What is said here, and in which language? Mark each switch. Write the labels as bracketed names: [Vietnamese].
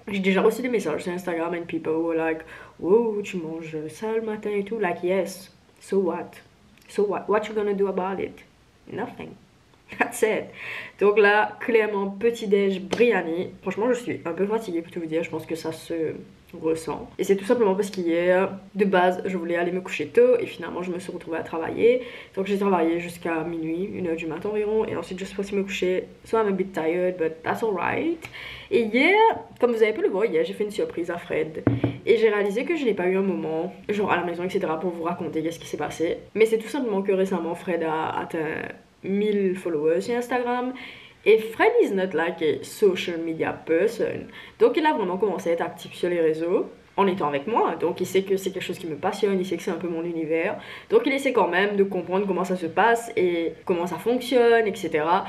[French] J'ai déjà reçu des messages sur Instagram [English] and people were like, wow, [French] tu manges ça le matin et tout. [English] Like, yes. So what? So what? What you gonna do about it? Nothing. That's it. [French] Donc là, clairement, petit déj Briani. Franchement, je suis un peu fatiguée pour tout vous dire. Je pense que ça se ressent. Et c'est tout simplement parce qu'hier, de base, je voulais aller me coucher tôt. Et finalement, je me suis retrouvée à travailler. Donc j'ai travaillé jusqu'à minuit, 1h du matin environ. Et ensuite, je suis passée me coucher. [English] So I'm a bit tired, but that's alright. [French] Et hier, comme vous avez pu le voir, hier, j'ai fait une surprise à Fred. Et j'ai réalisé que je n'ai pas eu un moment, genre à la maison, etc., pour vous raconter qu'est-ce qui s'est passé. Mais c'est tout simplement que récemment, Fred a atteint 1000 followers sur Instagram, et Fred is not like a social media person, donc il a vraiment commencé à être actif sur les réseaux en étant avec moi, donc il sait que c'est quelque chose qui me passionne, il sait que c'est un peu mon univers, donc il essaie quand même de comprendre comment ça se passe et comment ça fonctionne, etc.